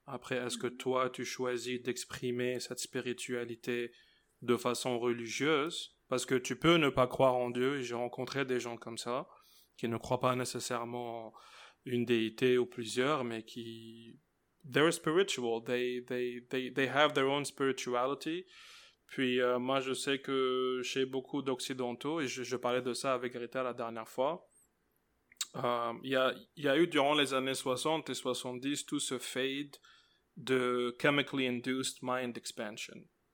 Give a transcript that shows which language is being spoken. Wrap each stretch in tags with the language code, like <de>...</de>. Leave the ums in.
<fr>Après, est-ce que toi tu choisis d'exprimer cette spiritualité de façon religieuse Parce que tu peux ne pas croire en Dieu, j'ai rencontré des gens comme ça, qui ne croient pas nécessairement une déité ou plusieurs, mais qui</fr> <en>they're spiritual. They, they, they, they have their own spirituality.</en> <fr>Puis euh, moi, je sais que chez beaucoup d'Occidentaux, et je, je, parlais de ça avec Rita la dernière fois, il euh, y, a, y, a, eu durant les années 60 et 70 tout ce fade de</fr> <en>chemically induced mind expansion.</en>